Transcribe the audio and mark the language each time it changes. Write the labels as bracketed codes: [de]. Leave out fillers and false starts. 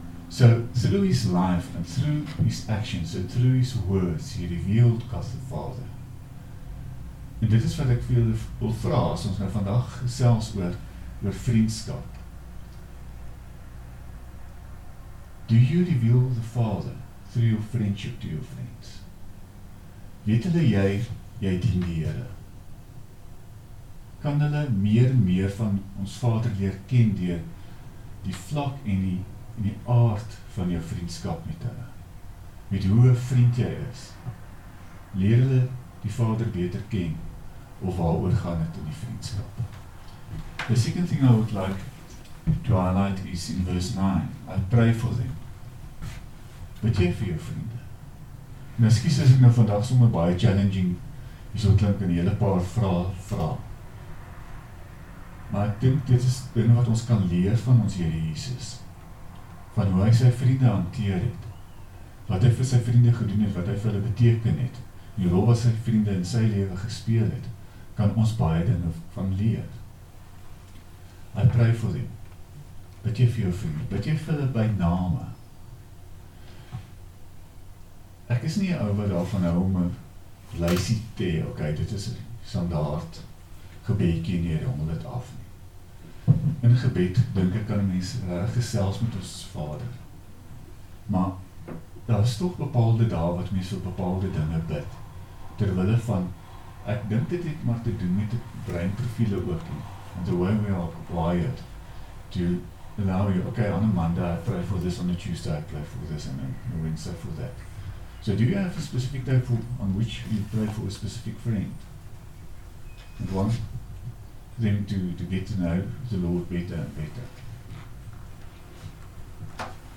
[en] So through his life and through his actions and through his words, he revealed God the Father. [af] En dit is wat ek veel wil vra as ons nou vandag gesels oor vriendskap. [en] Do you reveal the Father through your friendship to your friends? [af] Weet hulle jy dien die Here? Kan hulle meer en meer van ons Vader leer ken deur die vlak en die aard van jou vriendskap met hulle? Met hoe 'n vriend jy is? Leer hulle die Vader beter ken? Of waaroor gaan het in die vriendskap? [en] The second thing I would like to highlight is in verse 9. I pray for them. [af] Bid jy vir jou vriende? En excuse as ek nou vandag sommer baie challenging, jy sal klink in hele paar vra. Maar ek dink dit is binne wat ons kan leer van ons Here Jesus. Van hoe hy sy vriende hanteer het. Wat hy vir sy vriende gedoen het, wat hy vir hulle beteken het. Die rol wat sy vriende in sy lewe gespeel het. Kan ons baie dinge van leer. [en] I pray for them. [af] Bid jy vir jou vriende, bid jy vir hulle by name. Ek is nie 'n ou wat daarvan hou om 'n lysie te hê, okay, dit is 'n standaard gebedjie en jy rommel dit af nie. In gebed, dink ek, kan mense regtig gesels met ons Vader. Maar, daar is toch bepaalde dae wat mense op bepaalde dinge bid, terwille van ek dink dit het maar te doen met die breinprofiele ook nie. [en] And the way we are wired to allow you, okay, on a Monday I pray for this, on a Tuesday I pray for this, and on a Wednesday for that. So do you have a specific day on which you pray for a specific friend? And want them to get to know the Lord better and better.